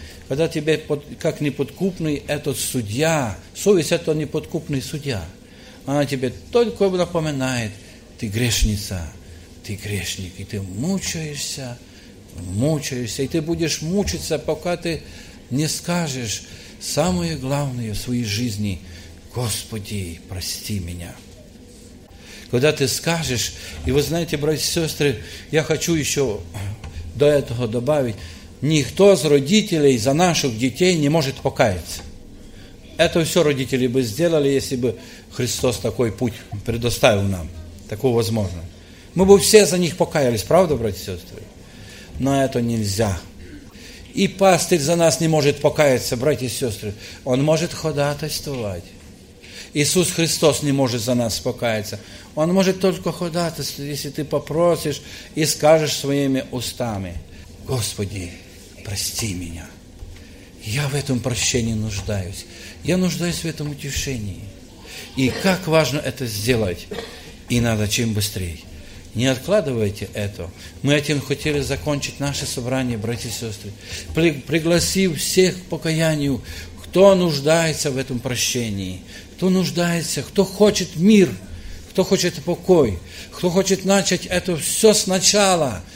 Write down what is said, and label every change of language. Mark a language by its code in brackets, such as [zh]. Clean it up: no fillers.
[ru] Когда тебе, как неподкупный этот судья, совесть это неподкупный судья, она тебе только напоминает, ты грешница, ты грешник, и ты мучаешься, мучаешься, и ты будешь мучиться, пока ты не скажешь самое главное в своей жизни, Господи, прости меня. Когда ты скажешь, и вы знаете, братья и сестры, я хочу еще до этого добавить, [uk] ніхто з родителей за наших дітей не може покаятися. Це все родителі би зробили, якщо б Христос такий путь предоставив нам, таку можливість. Ми б всі за них покаялись, правда, браті і сестри? Але це не можна. І пастир за нас не може покаятися, браті і сестри. Він може ходатайствувати. Ісус Христос не може за нас покаятися. Він може тільки ходатайствувати, якщо ти попросиш і скажеш своїми устами, Господи, [ru] прости меня. Я в этом прощении нуждаюсь. Я нуждаюсь в этом утешении. И как важно это сделать. И надо чем быстрее. Не откладывайте это. Мы этим хотели закончить наше собрание, братья и сестры. Пригласив всех к покаянию, кто нуждается в этом прощении, кто нуждается, кто хочет мир, кто хочет покой, кто хочет начать это все сначала.